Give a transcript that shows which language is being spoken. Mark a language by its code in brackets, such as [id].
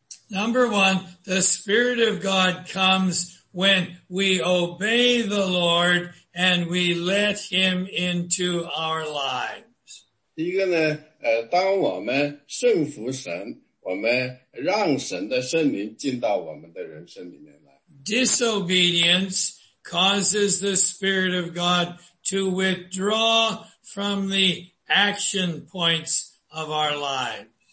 [en] Number one, the Spirit of God comes when we obey the Lord and we let Him into our lives. [zh] 一个呢，当我们顺服神，我们让神的圣灵进到我们的人生里面。 [en] Disobedience causes the Spirit of God to withdraw from the action points of our lives.